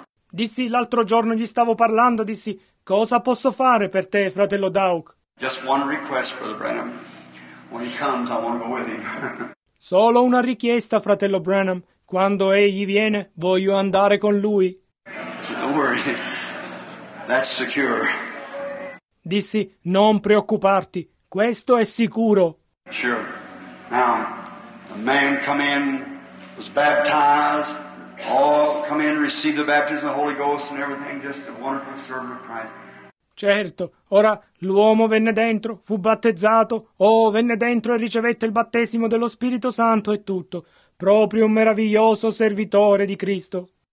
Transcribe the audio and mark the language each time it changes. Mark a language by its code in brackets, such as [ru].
[it] Dissi l'altro giorno, gli stavo parlando, dissi, cosa posso fare per te, fratello Dauk? [en] Just one request, Brother Branham. When he comes, I want to go with him. [it] Solo una richiesta, fratello Branham. Quando egli viene, voglio andare con lui. [en] Don't worry. That's secure. [it] Dissi, non preoccuparti, questo è sicuro. [en] Sure. Now, a man come in, was baptized, all come in, received the baptism of the Holy Ghost and everything, just a wonderful servant of Christ. [it] Certo, ora l'uomo venne dentro, fu battezzato, venne dentro e ricevette il battesimo dello Spirito Santo e tutto. Proprio un meraviglioso servitore di Cristo.